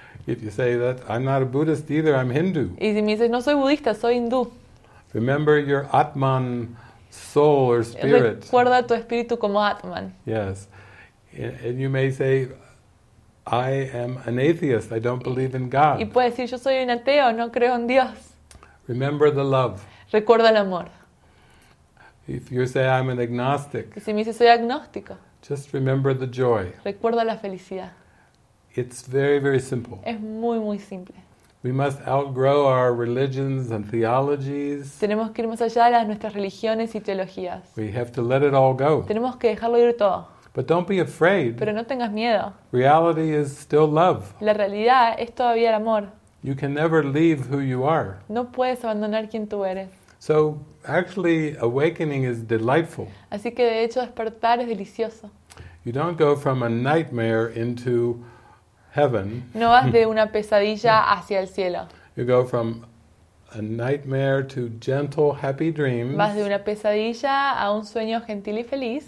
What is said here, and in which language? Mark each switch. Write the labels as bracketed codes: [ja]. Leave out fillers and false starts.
[en] If you say that, I'm not a Buddhist either, I'm Hindu. [es] Y si me dices, no soy budista, soy hindú. [en] Remember your Atman, soul or spirit. [es] Recuerda tu espíritu como Atman. [en] Yes. And you may say, I am an atheist, I don't believe in God. [es] Y puedes decir, yo soy un ateo, no creo en Dios. [en] Remember the love. [es] Recuerda el amor. [en] If you say I'm an agnostic, [es] si me dice, soy agnóstico, [en] just remember the joy. [es] Recuerda la felicidad. [en] It's very, very simple. [es] Es muy, muy simple. [en] We must outgrow our religions and theologies. [es] Tenemos que ir más allá de nuestras religiones y teologías. [en] We have to let it all go. [es] Tenemos que dejarlo ir todo. [en] But don't be afraid. [es] Pero no tengas miedo. [en] Reality is still love. [es] La realidad es todavía el amor. [en] You can never leave who you are. [es] No puedes abandonar quien tú eres. [en] So actually, awakening is delightful. [es] Así que de hecho despertar es delicioso. [en] You don't go from a nightmare into heaven. [es] No vas de una pesadilla hacia el cielo. [en] You go from a nightmare to gentle, happy dreams. [es] Vas de una pesadilla a un sueño gentil y feliz.